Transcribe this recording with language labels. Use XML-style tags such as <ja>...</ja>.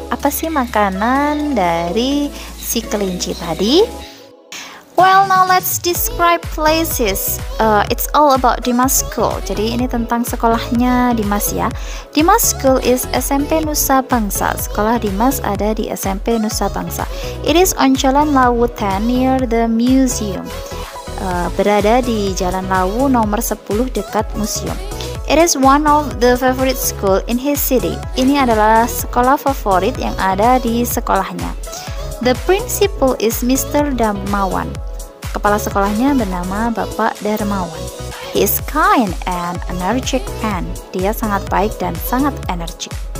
<id>Apa sih makanan dari si kelinci tadi?</id> <en>Well, now let's describe places. It's all about Dimas School.</en> <id>Jadi ini tentang sekolahnya Dimas ya. Dimas School is SMP Nusa Bangsa. Sekolah Dimas ada di SMP Nusa Bangsa.</id> <en>It is on Jalan Lawu 10 near the museum.</en> <id>Berada di Jalan Lawu nomor 10 dekat museum.</id> <en>It is one of the favorite school in his city.</en> <id>Ini adalah sekolah favorit yang ada di sekolahnya.</id> <en>The principal is Mr. Darmawan.</en> <id>Kepala sekolahnya bernama Bapak Darmawan.</id> <en>He is kind and energetic man.</en> <id>Dia sangat baik dan sangat energik.</id>